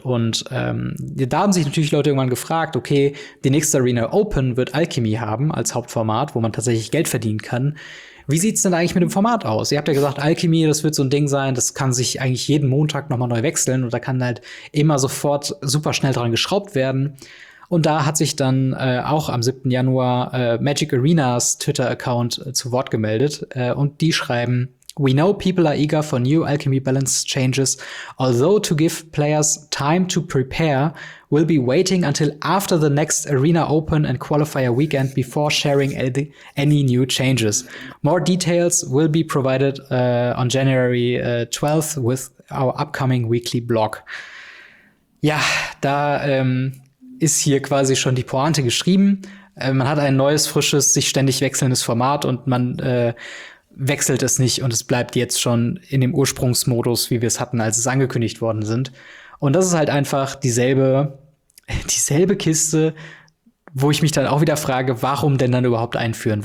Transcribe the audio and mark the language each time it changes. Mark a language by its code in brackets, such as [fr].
[de] Und da haben sich natürlich Leute irgendwann gefragt, okay, die nächste Arena Open wird Alchemy haben als Hauptformat, wo man tatsächlich Geld verdienen kann. Wie sieht's denn eigentlich mit dem Format aus? Ihr habt ja gesagt, Alchemy, das wird so ein Ding sein, das kann sich eigentlich jeden Montag noch mal neu wechseln und da kann halt immer sofort super schnell dran geschraubt werden. Und da hat sich dann auch am 7. Januar Magic Arenas Twitter-Account zu Wort gemeldet. Und die schreiben, [en] "We know people are eager for new Alchemy balance changes, although to give players time to prepare, we'll be waiting until after the next Arena Open and Qualifier Weekend before sharing any new changes. More details will be provided on January 12th with our upcoming weekly blog." [de] Ja, da ist hier quasi schon die Pointe geschrieben. Man hat ein neues, frisches, sich ständig wechselndes Format und man wechselt es nicht und es bleibt jetzt schon in dem Ursprungsmodus, wie wir es hatten, als es angekündigt worden sind. Und das ist halt einfach dieselbe Kiste, wo ich mich dann auch wieder frage, warum denn dann überhaupt einführen?